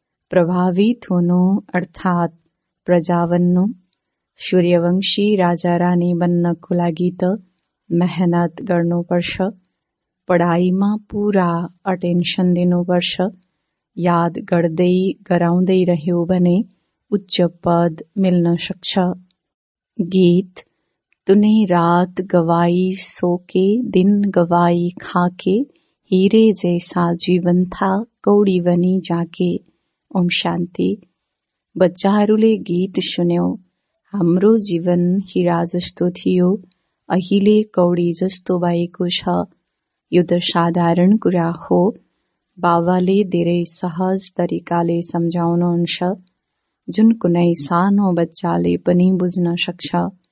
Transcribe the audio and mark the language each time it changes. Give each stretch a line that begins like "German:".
Nepali: प्रभावित हुनु अर्थात् प्रजा बन्नु, सूर्यवंशी राजा रानी बन्नको लागि त मेहनत गर्नुपर्छ, पढाइमा पुरा अटेन्सन दिनुपर्छ, याद गर्दै गराउँदै रह्यो भने उच्च पद मिल्न सक्छ।
Hindi: गीत, तुने रात गवाई सोके, दिन गवाई खाके, हीरे जैसा जीवन था कौडी बनी जाके।
Nepali: ओम शांति। बच्चाहरूले गीत सुन्यो, हाम्रो जीवन हीरा जस्तो थियो, अहिले कौडी जस्तो भएको छ। यो त साधारण कुरा हो, बाबाले धेरै सहज तरिकाले सम्झाउनुहुन्छ, जुन कुनै सानो बच्चाले पनि बुझ्न सक्छ।